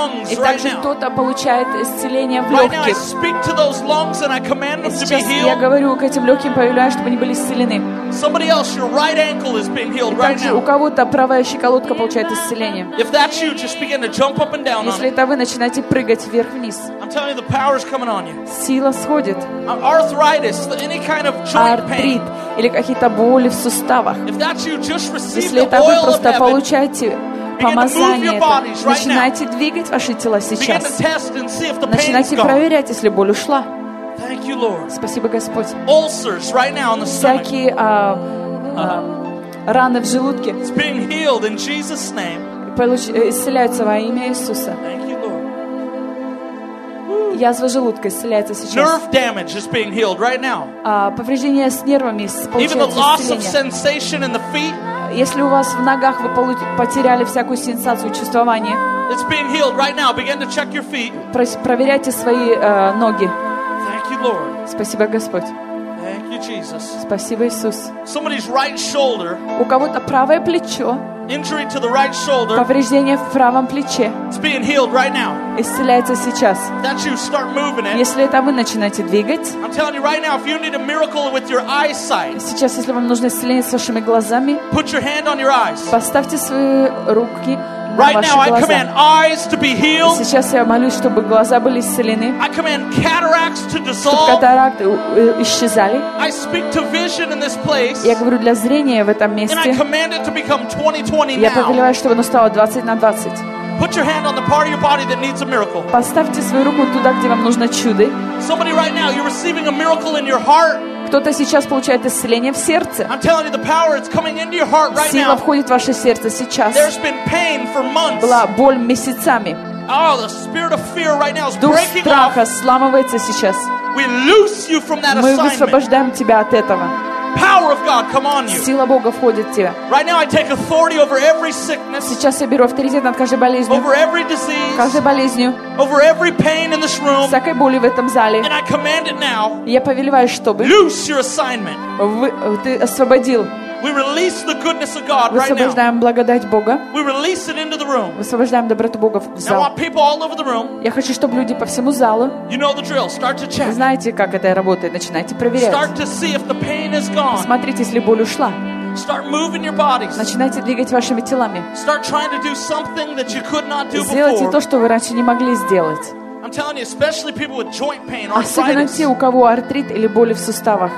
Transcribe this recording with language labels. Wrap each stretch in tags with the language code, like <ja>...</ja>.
<ru>И также кто-то получает исцеление в легких. И сейчас я говорю к этим легким, повелеваю, чтобы они были исцелены.</ru> <en>Somebody else, your right ankle is being healed right now.</en> <ru>И также у кого-то правая щиколотка получает исцеление.</ru> <en>If that's you, just begin to jump up and down.</en> <ru>Если это вы, начинайте прыгать вверх вниз.</ru> <en>I'm telling you, the power is coming on you.</en> <ru>Сила сходит.</ru> <en>Arthritis, any kind of joint pain.</en> <ru>Артрит или какие-то боли в суставах.</ru> <en>If that's you, just receive.</en> <ru>Если это вы, просто получайте помазание. Начинайте двигать ваши тела сейчас.</ru> <en>Begin to test and see if the pain</en> <ru>Начинайте проверять, если боль ушла.</ru> <en>Thank you, Lord.</en> <ru>Спасибо, Господь.</ru> <en>Ulcers right now on the stomach.</en> <ru>Всякие раны в желудке.</ru> <en>It's being healed in Jesus' name.</en> <ru>Исцеляется во имя Иисуса.</ru> <en>Thank you, Lord.</en> <ru>Язва желудка исцеляется сейчас.</ru> <en>Nerve damage is being healed right now.</en> <ru>Повреждения с нервами получается исцеление.</ru> <en>Even the loss of sensation in the feet.</en> <ru>Если у вас в ногах вы потеряли всякую сенсацию чувствования.</ru> <en>It's being healed right now. Begin to check your feet.</en> <ru>Проверяйте свои ноги. Спасибо, Господь.</ru> <en>Thank you, Jesus.</en> <ru>Спасибо, Иисус.</ru> <en>Somebody's right shoulder.</en> <ru>У кого-то правое плечо.</ru> <en>Injury to the right shoulder.</en> <ru>Повреждение в правом плече.</ru> <en>It's being healed right now.</en> <ru>Исцеляется сейчас.</ru> <en>That you start moving it.</en> <ru>Если это вы начинаете двигать.</ru> <en>I'm telling you right now, if you need a miracle with your eyesight.</en> <ru>Сейчас, если вам нужно исцеление с вашими глазами.</ru> <en>Put your hand on your eyes.</en> <ru>Поставьте свои руки.</ru> <en>Right now, I command eyes to be healed.</en> <ru>Сейчас я молюсь, чтобы глаза были исцелены.</ru> <en>I command cataracts to dissolve.</en> <ru>Чтобы катаракты исчезали.</ru> <en>I speak to vision in this place.</en> <ru>Я говорю для зрения в этом месте.</ru> <en>And I command it to become 20/20 now.</en> <ru>Я повелеваю, чтобы оно стало 20/20.</ru> <en>Put your hand on the part of your body that needs a miracle.</en> <ru>Поставьте свою руку туда, где вам нужно чудо.</ru> <en>Somebody right now, you're receiving a miracle in your heart.</en> <ru>Кто-то сейчас получает исцеление в сердце.</ru> <en>I'm telling you, the power is coming into your heart right now.</en> <ru>Сила входит в ваше сердце сейчас.</ru> <en>There's been pain for months.</en> <ru>Была боль месяцами.</ru> <en>Oh, the spirit of fear right now is breaking off.</en> <ru>Дух страха сломывается сейчас.</ru> <en>We loose you from that assignment.</en> <ru>Мы высвобождаем тебя от этого.</ru> <en>Power of God, come on you.</en> <ru>Сила Бога входит в тебя.</ru> <en>Right now, I take authority over every sickness.</en> <ru>Сейчас я беру авторитет над каждой болезнью.</ru> <en>Over every disease.</en> <ru>Каждой болезнью.</ru> <en>Over every pain in this room.</en> <ru>Всякой боли в этом зале.</ru> <en>And I command it now.</en> <ru>Я повелеваю, чтобы.</ru> <en>Loose your assignment.</en> <ru>Ты освободил.</ru> <en>We release the goodness of God right now.</en> <ru>Высвобождаем благодать Бога.</ru> <en>We release it into the room.</en> <ru>Высвобождаем доброту Бога в зал.</ru> <en>Now I want people all over the room.</en> <ru>Я хочу, чтобы люди по всему залу.</ru> <en>You know the drill. Start to check.</en> <ru>Вы знаете, как это работает. Начинайте проверять.</ru> <en>Start to see if the pain is gone.</en> <ru>Смотрите, если боль ушла.</ru> <en>Start moving your bodies.</en> <ru>Начинайте двигать вашими телами.</ru> <en>Start trying to do something that you could not do before.</en> <ru>Сделайте то, что вы раньше не могли сделать.</ru> <en>I'm telling you, especially people with joint pain, arthritis.</en> <ru>Особенно те, у кого артрит или боли в суставах.</ru>